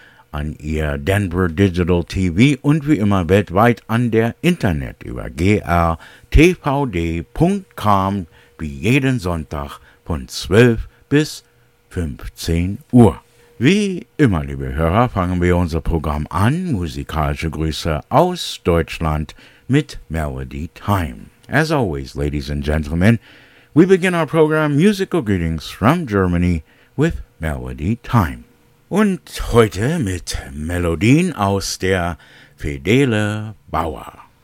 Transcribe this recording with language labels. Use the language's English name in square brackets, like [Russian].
[German] an Ihr Denver Digital TV und wie immer weltweit an der Internet über grtvd.com wie jeden Sonntag von 12 bis 15 Uhr. Wie immer, liebe Hörer, fangen wir unser Programm an. Musikalische Grüße aus Deutschland mit Melody Time. [English] As always, ladies and gentlemen, we begin our program Musical Greetings from Germany with Melody Time. [German] Und heute mit Melodien aus der Fidele Bauer.